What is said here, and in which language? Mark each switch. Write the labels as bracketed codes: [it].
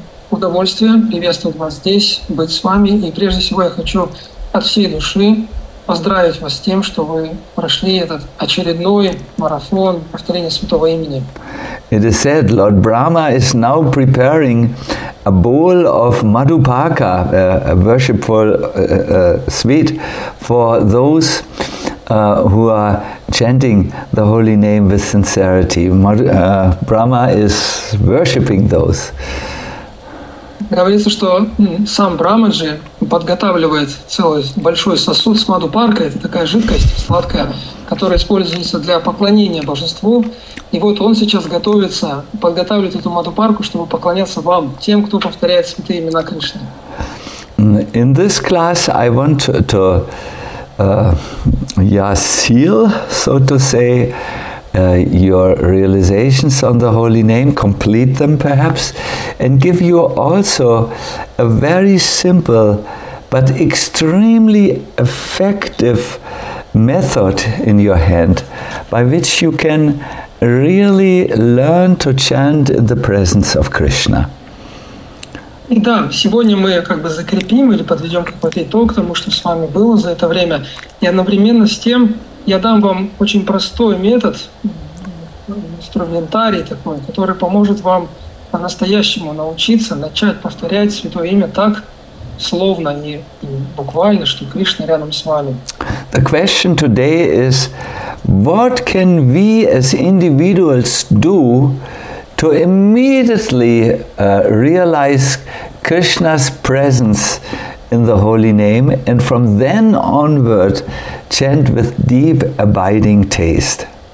[ru] Удовольствие приветствовать вас здесь, быть с вами. И прежде всего я хочу от всей души поздравить вас с тем, что вы прошли этот очередной марафон повторения Святого Имени. [en] It is said Lord Brahma is now preparing a bowl of madhupaka, a worshipful sweet, for those who are chanting the holy name with sincerity. Brahma is worshipping those. [ru] Говорится, что сам Брамаджи подготавливает целый большой сосуд с мадхупаркой. Это такая жидкость сладкая, которая используется для поклонения божеству. И вот он сейчас готовится, подготавливает эту мадхупарку, чтобы поклоняться вам, тем, кто повторяет святые имена Кришны. [en] In this class I want to seal, so to say, your realizations on the holy name, complete them perhaps, and give you also a very simple but extremely effective method in your hand by which you can really learn to chant in the presence of Krishna. [ru] Да, сегодня мы как бы закрепим или подведем какой-то итог тому, что с вами было за это время, и одновременно с тем я дам вам очень простой метод, инструментарий такой, который поможет вам по-настоящему научиться, начать повторять Святое Имя так, словно и буквально, что Кришна рядом с вами. [en] The question today is, what can we as individuals do to immediately realize Krishna's presence in the holy name, and from then onward chant with deep abiding taste?